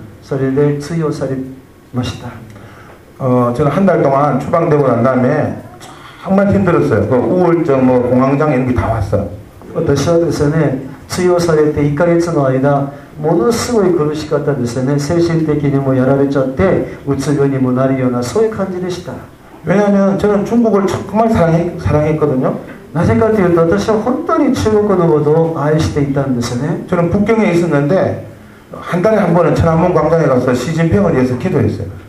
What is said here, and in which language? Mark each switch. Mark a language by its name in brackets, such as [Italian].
[Japanese] 私はですね、去年中国で宣教師としての働きをやってたんですけれども、それで追放されました。 [Korean] 저는 한 달 동안 추방되고 난 다음에 정말 힘들었어요. 그 우울증, 뭐 공황장애 이런 게 다 왔어요. [Japanese] 私はですね、追放されて1ヶ月の間、ものすごい苦しかったですね。精神的にもやられちゃって、うつ病にもなるような、そういう感じでした。 [Korean] 왜냐하면 저는 중국을 정말 사랑했거든요. [Japanese] 나제카테요토토시와本当に中国のことを愛していたんですね. [Korean] 저는 북경에 있었는데 한 달에 한 번은 천안문 광장에 가서 시진핑을 위해서 기도했어요.